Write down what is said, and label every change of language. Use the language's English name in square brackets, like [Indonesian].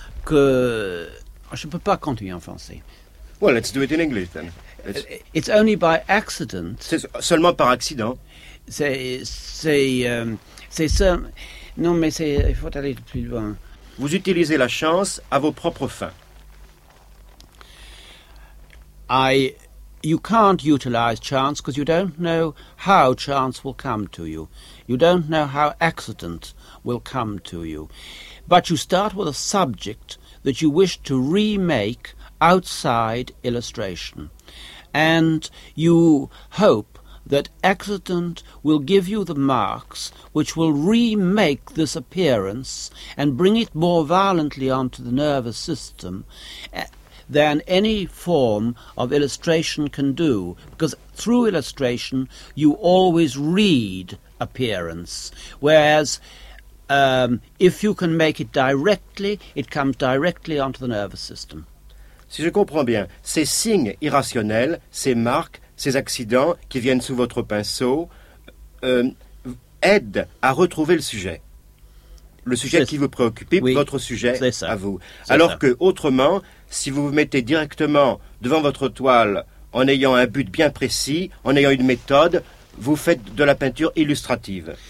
[French] Que je ne peux pas continuer en français. [English] Well, let's do it in English then. It's only by accident. [French] C'est seulement par accident. Il faut aller plus loin. Vous utilisez la chance à vos propres fins. [English] You can't utilize chance because you don't know how chance will come to you. You don't know how accident will come to you. But you start with a subject that you wish to remake outside illustration. And you hope that accident will give you the marks which will remake this appearance and bring it more violently onto the nervous system than any form of illustration can do. Because through illustration, you always read appearance, whereas if you can make it directly, it comes directly onto the nervous system. [French] Si je comprends bien, ces signes irrationnels, ces marques, ces accidents qui viennent sous votre pinceau aident à retrouver le sujet. Le sujet qui vous préoccupe, oui, votre sujet à vous. C'est alors ça. Que autrement, si vous vous mettez directement devant votre toile en ayant un but bien précis, en ayant une méthode, vous faites de la peinture illustrative.